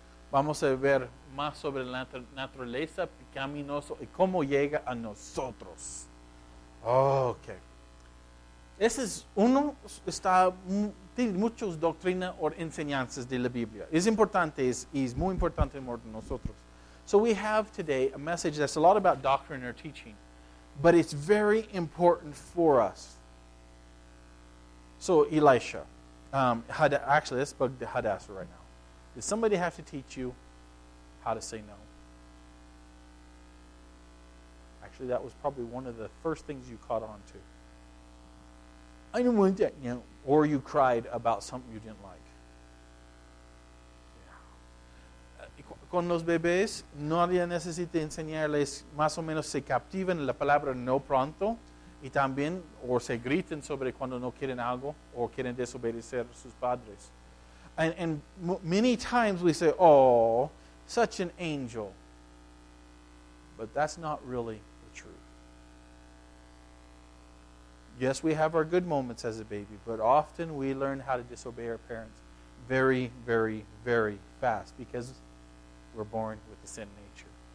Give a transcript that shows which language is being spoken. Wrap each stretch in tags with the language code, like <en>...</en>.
<es>Vamos a ver más sobre la naturaleza pecaminosa y cómo llega a nosotros. Ok. Ese es uno, está, tiene muchas doctrinas o enseñanzas de la Biblia. Es importante, es muy importante para nosotros.</es> <en>So we have today a message that's a lot about doctrine or teaching, but it's very important for us. So Elisha, actually let's bug the Hadassah right now. Does somebody have to teach you how to say no? Actually, that was probably one of the first things you caught on to. I didn't want that, you know. Or you cried about something you didn't like. Yeah.</en> <es>Con los bebés, no había necesidad enseñarles más o menos se captiven la palabra no pronto, y también, o se griten sobre cuando no quieren algo, o quieren desobedecer sus padres.</es> <en>And many times we say, oh, such an angel. But that's not really. Yes, we have our good moments as a baby, but often we learn how to disobey our parents very, very, very fast because we're born with the sin nature.</en>